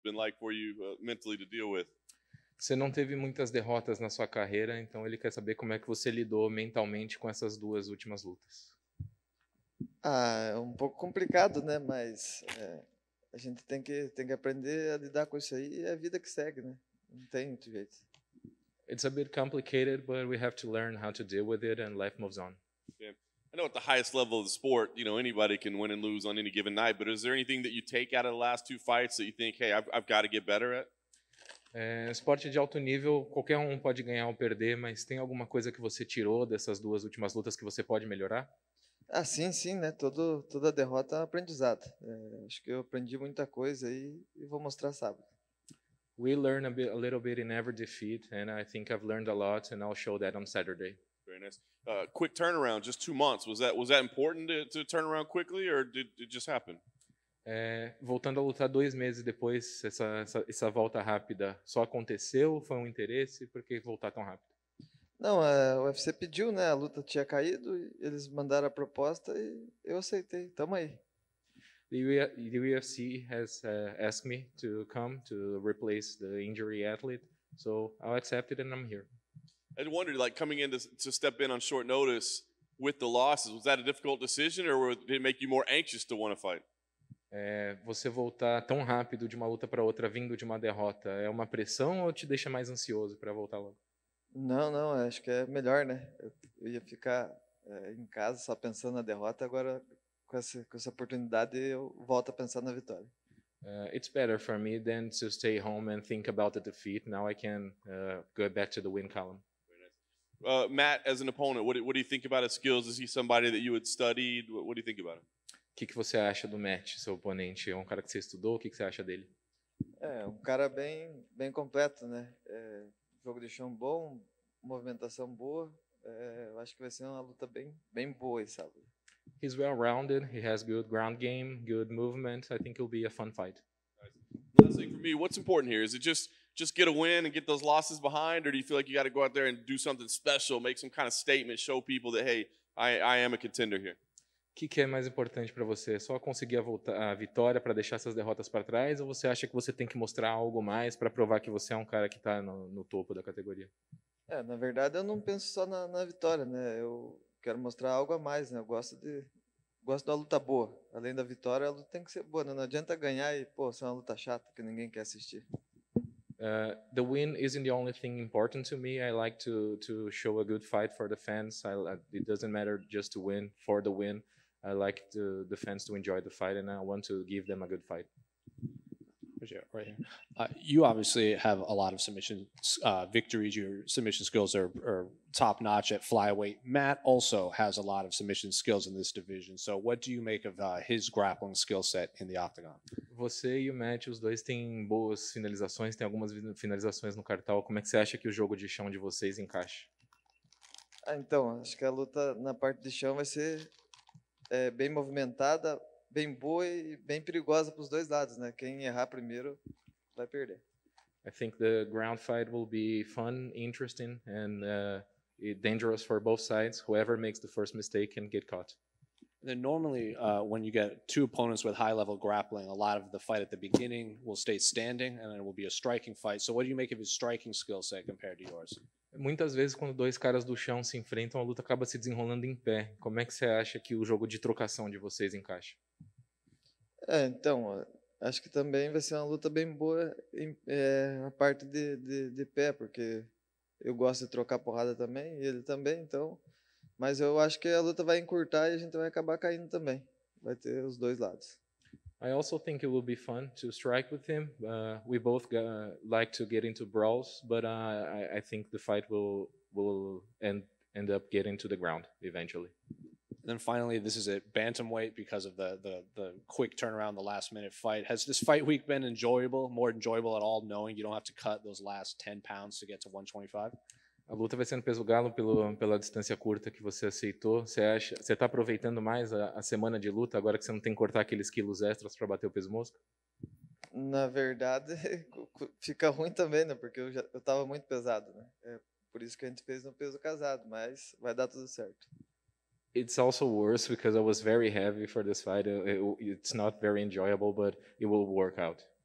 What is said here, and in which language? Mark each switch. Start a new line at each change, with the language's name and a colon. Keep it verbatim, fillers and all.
English: been like for you uh, mentally to deal with?
Portuguese: Você não teve muitas derrotas na sua carreira, então ele quer saber como é que você lidou mentalmente com essas duas últimas lutas. Ah, é um pouco complicado, né? Mas é, a gente tem que, tem que aprender a lidar com isso aí, e é a vida que segue, né? Não tem outro jeito.
English: It's a bit complicated, but we have to learn how to deal with it, and life moves on. Yeah. I know at the highest level of the sport, you know, anybody can win and lose on any given night, but is there anything that you take out of the last two fights that you think, hey, I've, I've got to get better at?
Portuguese: É, esporte de alto nível, qualquer um pode ganhar ou perder, mas tem alguma coisa que você tirou dessas duas últimas lutas que você pode melhorar? Ah, sim, sim, né? Todo, toda derrota é um aprendizado. É, acho que eu aprendi muita coisa e, e vou mostrar sábado.
English: We learn a, bit, a little bit in every defeat, and I think I've learned a lot, and I'll show that on Saturday. Very nice. Uh, quick turnaround, just two months. Was that was that important to, to turn around quickly, or did it just happen?
Portuguese: É, voltando a lutar dois meses depois, essa, essa, essa volta rápida só aconteceu? Foi um interesse? Por que voltar tão rápido? Não, a U F C pediu, né? A luta tinha caído, eles mandaram a proposta e eu aceitei. Tamo aí.
English: The, the U F C has uh, asked me to come to replace the injury athlete, so I'll accept it and I'm here. I wondered, like, coming in to, to step in on short notice with the losses, was that a difficult decision, or did it make you more anxious to want to fight?
Portuguese: É, você voltar tão rápido de uma luta para outra vindo de uma derrota é uma pressão ou te deixa mais ansioso para voltar logo? Não, não, acho que é melhor, né? Eu, eu ia ficar é, em casa só pensando na derrota, agora com essa, com essa oportunidade eu volto a pensar na vitória.
English: Uh, it's better for me than to stay home and think about the defeat. Now I can uh, go back to the win column. Uh, Matt, as an opponent, what do, what do you think about his skills? Is he somebody that you had studied? What, what do you think about him?
Portuguese: O que, que você acha do Matt, seu oponente? É um cara que você estudou? O que, que você acha dele? É, um cara bem, bem completo, né? É, jogo de chão bom, movimentação boa. É, eu acho que vai ser uma luta bem, bem boa, sabe?
English: He's well-rounded. He has good ground game, good movement. I think it'll be a fun fight. Last thing for me, what's important here? Is it just just get a win and get those losses behind, or do you feel like you got to go out there and do something special, make some kind of statement, show people that, hey, I, I am a contender here?
Portuguese: O que, que é mais importante para você? Só conseguir a, volta, a vitória para deixar essas derrotas para trás? Ou você acha que você tem que mostrar algo mais para provar que você é um cara que está no, no topo da categoria? É, na verdade, eu não penso só na, na vitória, né? Eu quero mostrar algo a mais, né? Eu gosto de gosto da luta boa. Além da vitória, a luta tem que ser boa, né? Não adianta ganhar e, pô, ser uma luta chata que ninguém quer assistir.
English: Uh, the win isn't the only thing important to me. I like to to show a good fight for the fans. I, it doesn't matter just to win for the win. I like to, the fans to enjoy the fight, and I want to give them a good fight. Right here. Uh, you obviously have a lot of submission uh, victories. Your submission skills are, are top-notch at flyweight. Matt also has a lot of submission skills in this division. So what do you make of uh, his grappling skill set in the octagon?
Portuguese: Você e o Matt, os dois têm boas finalizações, tem algumas finalizações no cartão. Como é que você acha que o jogo de chão de vocês encaixa? Ah, então, acho que a luta na parte de chão vai ser... É, bem movimentada, bem boa e bem perigosa para os dois lados, né? Quem errar primeiro vai perder.
English: I think the ground fight will be fun, interesting, and uh, dangerous for both sides. Whoever makes the first mistake can get caught. Then normally, uh, when you get two opponents with high-level grappling, a lot of the fight at the beginning will stay standing, and it will be a striking fight. So what do you make of his striking skill set compared to yours?
Portuguese: Muitas vezes, quando dois caras do chão se enfrentam, a luta acaba se desenrolando em pé. Como é que você acha que o jogo de trocação de vocês encaixa? É, então, acho que também vai ser uma luta bem boa em, é, na parte de, de, de pé, porque eu gosto de trocar porrada também, e ele também, então... Mas eu acho que a luta vai encurtar e a gente vai acabar caindo também. Vai ter os dois lados.
English: I also think it will be fun to strike with him. Uh, we both uh, like to get into brawls, but uh, I, I think the fight will will end end up getting to the ground eventually. And then finally, this is at bantamweight because of the the the quick turnaround, the last minute fight. Has this fight week been enjoyable? More enjoyable at all, knowing you don't have to cut those last ten pounds to get to one twenty-five?
Portuguese: A luta vai ser no peso galo pelo, pela distância curta que você aceitou. Você acha, você está aproveitando mais a, a semana de luta agora que você não tem que cortar aqueles quilos extras para bater o peso mosca? Na verdade, fica ruim também, né? Porque eu já eu estava muito pesado, né? É por isso que a gente fez no peso casado, mas vai dar tudo certo.
English: It's also worse because I was very heavy for this fight. It, it, it's not very enjoyable, but it will work out.